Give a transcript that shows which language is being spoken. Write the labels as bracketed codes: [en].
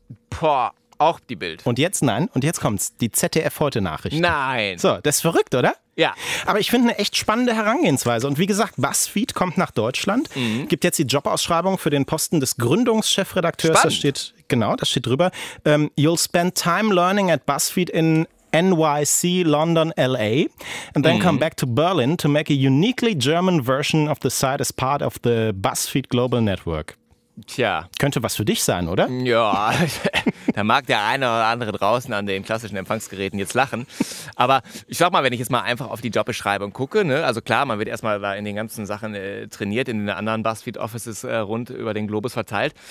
[de] Boah, auch die Bild. Und jetzt, nein, und jetzt kommt's, die ZDF-Heute-Nachricht. Nein. So, das ist verrückt, oder? Ja. Aber ich finde eine echt spannende Herangehensweise. Und wie gesagt, BuzzFeed kommt nach Deutschland, gibt jetzt die Jobausschreibung für den Posten des Gründungschefredakteurs. Spannend. Das steht, genau, das steht drüber. [en] You'll spend time learning at BuzzFeed in NYC, London, LA, and then come back to Berlin to make a uniquely German version of the site as part of the BuzzFeed Global Network. [de] Tja. Könnte was für dich sein, oder? Ja, da mag der eine oder andere draußen an den klassischen Empfangsgeräten jetzt lachen. Aber ich sag mal, wenn ich jetzt mal einfach auf die Jobbeschreibung gucke, ne, also klar, man wird erstmal in den ganzen Sachen trainiert, in den anderen BuzzFeed-Offices rund über den Globus verteilt.